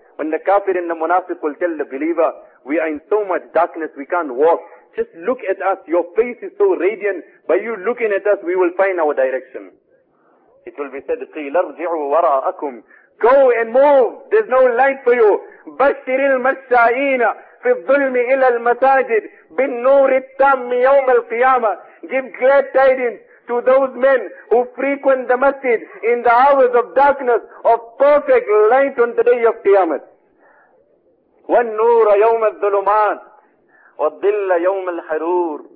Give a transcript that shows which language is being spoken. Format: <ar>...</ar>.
<en>When the kafir and the munafiq will tell the believer, we are in so much darkness, we can't walk. Just look at us, your face is so radiant. By you looking at us, we will find our direction. It will be said,</en> <ar>قيل ارجعوا وراءكم.</ar> <en>Go and move, there's no light for you.</en> <ar>بشر المشائين في الظلم إلى المساجد بالنور التام يوم القيامة.</ar> <en>Give glad tidings to those men who frequent the masjid in the hours of darkness, of perfect light on the day of Qiyamah.</en> <ar>والنور يوم الظلمات والظل يوم الحرور.</ar>